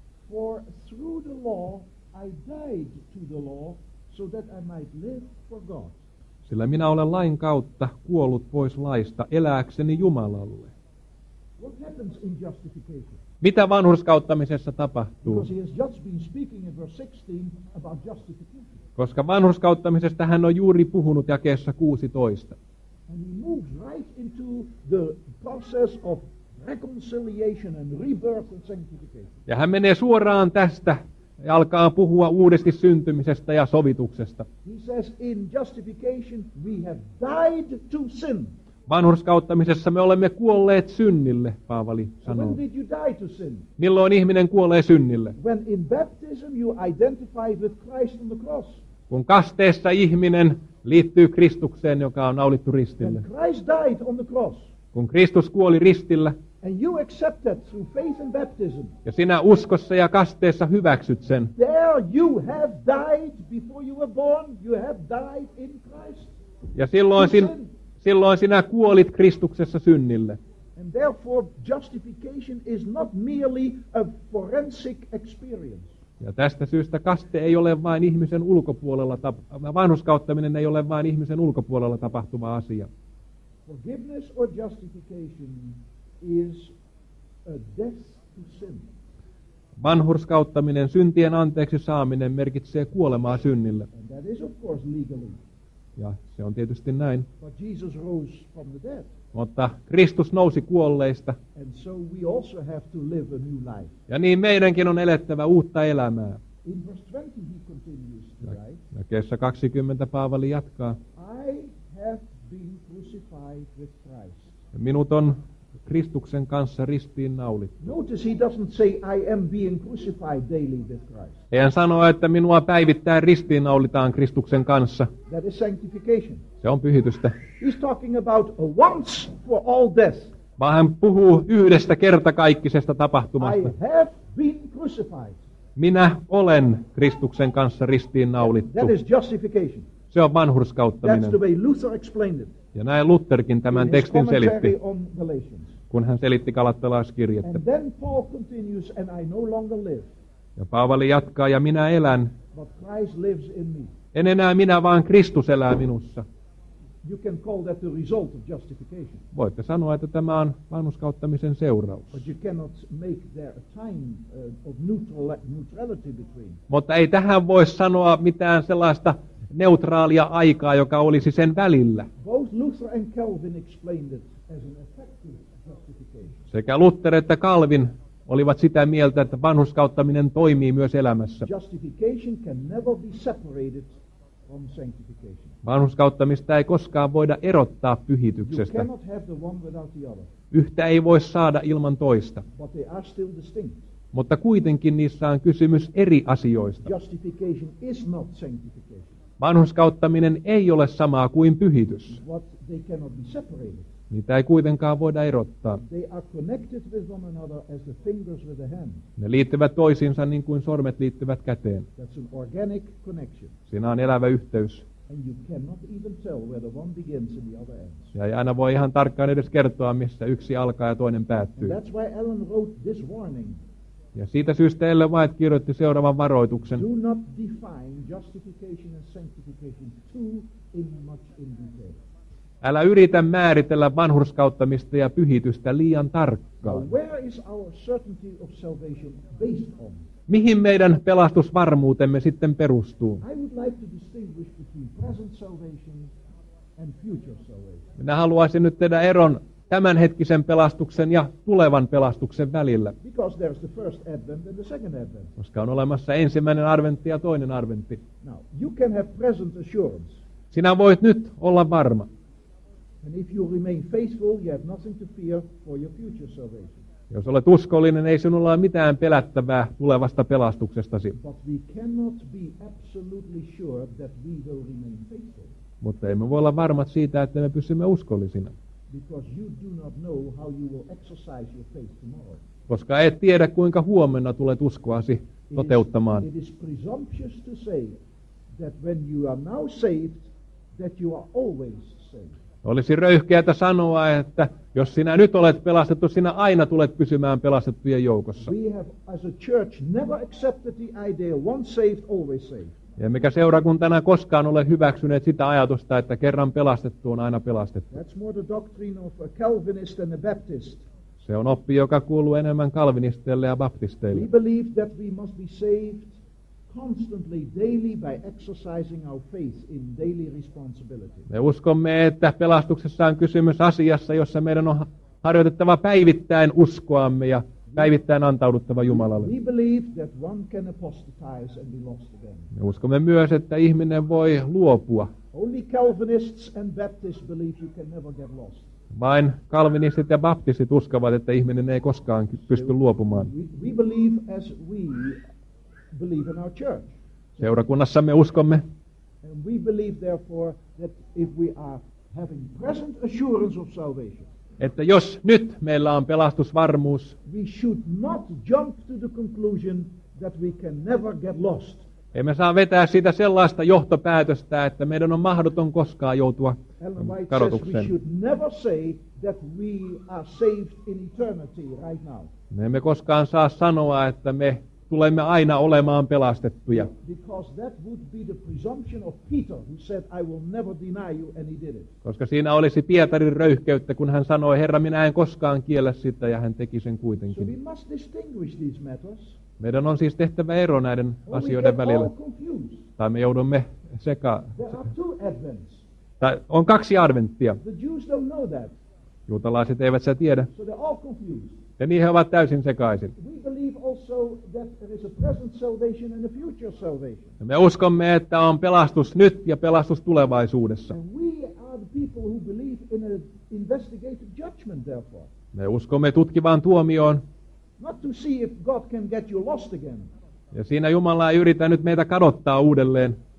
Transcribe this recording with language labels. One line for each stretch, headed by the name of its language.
English: For through the law I died to the law so that I might live for God.
Finnish: Sillä minä olen lain kautta kuollut pois laista elääkseni Jumalalle.
English: What happens in justification?
Finnish: Mitä vanhurskauttamisessa tapahtuu?
English: Because he has just been speaking in verse 16 about justification.
Finnish: Koska vanhurskauttamisesta hän on juuri puhunut jakeessa 16.
English: And he moves right into the process of reconciliation and rebirth and sanctification.
Finnish: Ja hän menee suoraan tästä ja alkaa puhua uudesti syntymisestä ja sovituksesta.
English: He says, in justification we have died to sin.
Finnish: Vanhurskauttamisessa me olemme kuolleet synnille, Paavali sanoo.
English: When did you die to sin?
Finnish: Milloin ihminen kuolee synnille?
English: When in baptism you identify with Christ on the cross.
Finnish: Kun kasteessa ihminen liittyy Kristukseen, joka on naulittu ristille.
English: When Christ died on the cross.
Finnish: Kun Kristus kuoli ristillä.
English: And you accept that through faith and baptism.
Finnish: Ja sinä uskossa ja kasteessa hyväksyt sen.
English: There you have died before you were born. You have died in Christ.
Finnish: Ja silloin sinä kuolit Kristuksessa synnille.
English: And therefore justification is not merely a forensic experience.
Finnish: Ja tästä syystä kaste ei ole vain ihmisen ulkopuolella vanhurskauttaminen ei ole vain ihmisen ulkopuolella tapahtuva asia.
English: Forgiveness or justification is a death to sin.
Finnish: Vanhurskauttaminen, syntien anteeksi saaminen, merkitsee kuolemaa synnille.
English: And that is of course legally.
Finnish: Ja se on tietysti näin.
English: But Jesus rose from the dead.
Finnish: Mutta Kristus nousi kuolleista.
English: And so we also have to live a new life.
Finnish: Ja niin meidänkin on elettävä uutta elämää.
English: In verse 20 he continues to write.
Finnish: Ja kesä 20 Paavali jatkaa.
English: I have been crucified with Christ.
Finnish: Minut on Kristuksen kanssa ristiin naulittu.
English: Notice he doesn't say I am being crucified daily with Christ.
Finnish: Ei hän sano, että minua päivittäin ristiin naulitaan Kristuksen kanssa.
English: That is sanctification.
Finnish: Se on pyhitystä.
English: He's talking about a once for all death.
Finnish: Vaan hän puhuu yhdestä kertakaikkisesta tapahtumasta.
English: I have been crucified.
Finnish: Minä olen Kristuksen kanssa ristiin naulittu.
English: That is justification.
Finnish: Se on vanhurskauttaminen.
English: That's the way Luther explained it.
Finnish: Ja näin Lutherkin tämän tekstin selitti, kun hän selitti Galattalaiskirjettä.
English: And then Paul continues, and I no longer live.
Finnish: Ja Paavali jatkaa, ja minä elän.
English: But Christ lives in me.
Finnish: En enää minä, vaan Kristus elää minussa.
English: You can call that the result of justification.
Finnish: Voitte sanoa, että tämä on vanhurskauttamisen seuraus.
English: But you cannot make there a time of neutrality between.
Finnish: Mutta ei tähän voi sanoa mitään sellaista neutraalia aikaa, joka olisi sen välillä.
English: Both Luther and Calvin explained it as an effective justification.
Finnish: Sekä Luther että Calvin olivat sitä mieltä, että vanhurskauttaminen toimii myös elämässä.
English: Justification can never be separated from sanctification.
Finnish: Vanhurskauttamista ei koskaan voida erottaa pyhityksestä.
English: You cannot have the one without the other.
Finnish: Yhtä ei voi saada ilman toista.
English: But they are still distinct.
Finnish: Mutta kuitenkin niissä on kysymys eri asioista.
English: Justification is not sanctification.
Finnish: Vanhurskauttaminen ei ole samaa kuin pyhitys.
English: What, they cannot be separated.
Finnish: Niitä ei kuitenkaan voida erottaa.
English: They are connected with one another as the fingers with the hand.
Finnish: Ne liittyvät toisiinsa niin kuin sormet liittyvät käteen.
English: That's an organic connection.
Finnish: Siinä on elävä yhteys.
English: And you cannot even tell where the one begins and the other ends.
Finnish: Ja ei aina voi ihan tarkkaan edes kertoa, missä yksi alkaa ja toinen päättyy.
English: And that's why Ellen wrote this warning.
Finnish: Ja siitä syystä Ellen White kirjoitti seuraavan varoituksen.
English: Do not define justification and sanctification too much in detail.
Finnish: Älä yritä määritellä vanhurskauttamista ja pyhitystä liian tarkkaan.
English: Where is our certainty of salvation based on?
Finnish: Mihin meidän pelastusvarmuutemme sitten perustuu?
English: I would like to distinguish between present salvation and future salvation.
Finnish: Minä haluaisin nyt tehdä eron tämänhetkisen pelastuksen ja tulevan pelastuksen välillä.
English: Because there's the first advent and the second advent.
Finnish: Koska on olemassa ensimmäinen adventti ja toinen adventti.
English: Now, you can have present assurance.
Finnish: Sinä voit nyt olla varma.
English: And if you remain faithful, you have nothing to fear for your future salvation.
Finnish: Jos olet uskollinen, ei sinulla ole mitään pelättävää tulevasta pelastuksestasi.
English: But we cannot be absolutely sure that we will remain faithful.
Finnish: Mutta emme voi olla varmat siitä, että me pysymme uskollisina.
English: Because you do not know how you will exercise your faith tomorrow.
Finnish: Koska et tiedä, kuinka huomenna tulet uskoasi toteuttamaan.
English: It is presumptuous to say that when you are now saved, that you are always saved.
Finnish: Olisi röyhkeätä sanoa, että jos sinä nyt olet pelastettu, sinä aina tulet pysymään pelastettujen joukossa.
English: We have, as a church, never accepted the idea once saved, always saved.
Finnish: Ja mikä seurakuntana koskaan ole hyväksyneet sitä ajatusta, että kerran pelastettu on aina pelastettu.
English: That's more the doctrine of a Calvinist and a Baptist.
Finnish: Se on oppi, joka kuuluu enemmän kalvinisteille ja baptisteille.
English: We believe that we must be saved constantly, daily by exercising our faith in daily responsibility.
Finnish: Me uskomme, että pelastuksessa on kysymys asiassa, jossa meidän on harjoitettava päivittäin uskoamme ja päivittäin antauduttava Jumalalle.
English: We believe that one can apostatize and be lost again.
Finnish: Me uskomme myös, että ihminen voi luopua.
English: Only Calvinists and Baptists believe you can never get lost.
Finnish: Vain kalvinistit ja baptistit uskovat, että ihminen ei koskaan pysty luopumaan.
English: We believe as we believe in our church.
Finnish: Seurakunnassa me uskomme.
English: And we believe therefore that if we are having present assurance of salvation,
Finnish: että jos nyt meillä on pelastusvarmuus,
English: we should not jump to the conclusion that we can never get lost.
Finnish: Emme saa vetää siitä sellaista johtopäätöstä, että meidän on mahdoton koskaan joutua kadotukseen.
English: We should never say that we are saved in eternity right now.
Finnish: Me emme koskaan saa sanoa, että me tulemme aina olemaan pelastettuja.
English: Because that would be the presumption of Peter, who said, I will never deny you, and he did it.
Finnish: Koska siinä olisi Pietarin röyhkeyttä, kun hän sanoi, Herra, minä en koskaan kiellä sitä, ja hän teki sen kuitenkin.
English: So we must distinguish these matters.
Finnish: Meidän on siis tehtävä ero näiden
English: or
Finnish: asioiden välillä. Tai me joudumme sekaan. On kaksi adventtia.
English: The Jews don't know that.
Finnish: Juutalaiset eivät sitä tiedä.
English: So they're all confused.
Finnish: Ja niin he ovat täysin sekaisin.
English: We believe also that there is a present salvation and a future salvation.
Finnish: Ja me uskomme, että on pelastus nyt ja pelastus tulevaisuudessa.
English: And we are the people who believe in an investigative judgment, therefore.
Finnish: Me uskomme tutkivaan tuomioon.
English: Not to see if God can get you lost again.
Finnish: Ja siinä Jumala ei yritä nyt meitä kadottaa uudelleen.